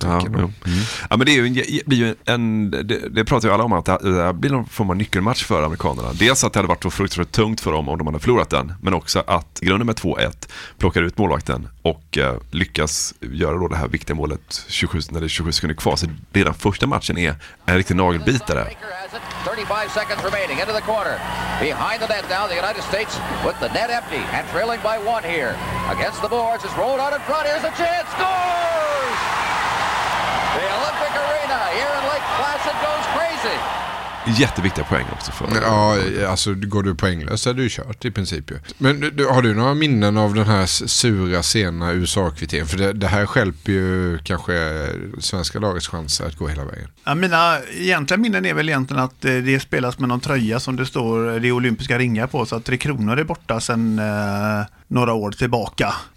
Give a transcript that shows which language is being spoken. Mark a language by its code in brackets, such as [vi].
[sv] Ja, ja, men det är ju det pratar ju alla om, att det blir någon form av nyckelmatch för amerikanerna. Dels att det hade varit så fruktansvärt tungt för dem om de hade förlorat den, men också att grunden med 2-1 plockar ut målvakten och lyckas göra då det här viktiga målet 27, när det är 27 sekunder kvar. Så redan första matchen är en riktig nagelbitare. [en] 35 seconds remaining into the quarter. Behind the net now, the United States with the net empty and trailing by one here. Against the boards, it's rolled out in front. Here's a chance. Scores! The Olympic Arena here in Lake Placid goes crazy. [sv] Jätteviktiga poäng också för. Ja, alltså går du poänglös så är du kört i princip ju. Men har du några minnen av den här sura sena USA-kvitteringen? För det här skälper ju kanske svenska lagets chanser att gå hela vägen. Ja, mina egentliga minnen är väl egentligen att det spelas med någon tröja som det står det olympiska ringar på, så att Tre Kronor är borta sen några år tillbaka.